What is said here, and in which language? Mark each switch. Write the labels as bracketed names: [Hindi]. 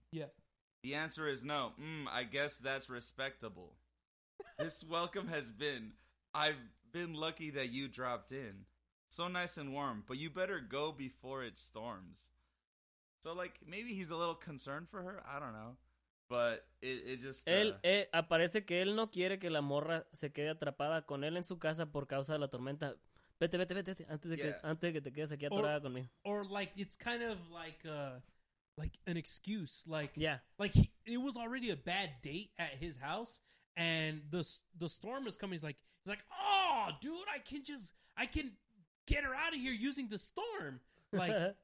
[English] Yeah. The answer is no. I guess that's respectable. This welcome has been, I've been lucky that you dropped in. So nice and warm, but you better go before it storms. So, like, maybe he's a little concerned for her. I don't know. But it just... [Spanish] Aparece que él no quiere que la morra se quede atrapada con él en su casa por causa de la tormenta. Vete, antes de que te quedes aquí atorada conmigo. [English] Or, like, it's kind of like an excuse. Like, yeah. Like, it was already a bad date at his house, and the storm is coming. He's like, oh, dude, I can get her out of here using the storm. Like...